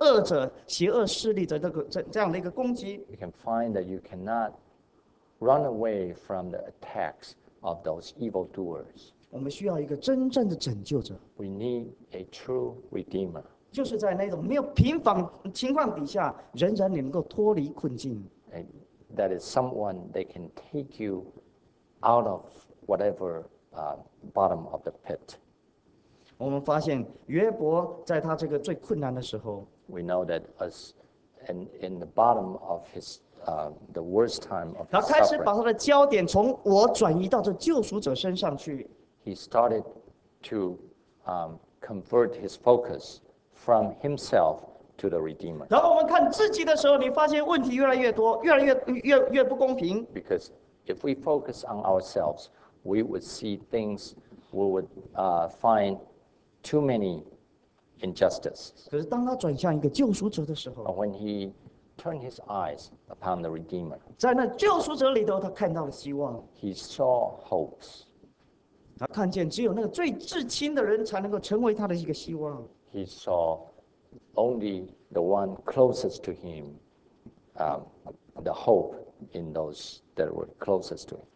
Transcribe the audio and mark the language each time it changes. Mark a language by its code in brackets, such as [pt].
[zh] 你发现我们没有办法脱离一个黑,这恶者,邪恶势力的这样的一个攻击。 [en] You can find that you cannot run away from the attacks of those evildoers. [zh] 我们需要一个真正的拯救者。 [en] We need a true redeemer. [zh] 就是在那种没有平反情况底下,仍然能够脱离困境。 [en] That is someone that can take you out of whatever bottom of the pit. [zh] 我们发现约伯在他这个最困难的时候, [en] we know that as in the bottom of his the worst time of his suffering, [zh] 他开始把他的焦点从我转移到这救赎者身上去。 [en] He started to convert his focus from himself to the Redeemer. [zh] 然后我们看自己的时候, 你发现问题越来越多, 越来越不公平。 [en] Because if we focus on ourselves, we would see things, we would find too many injustices. But when he turned his eyes upon the Redeemer, he saw hopes. [zh] 他看见只有那个最至亲的人才能够成为他的一个希望。 [en] He saw only the one closest to him, the hope in those that were closest to him.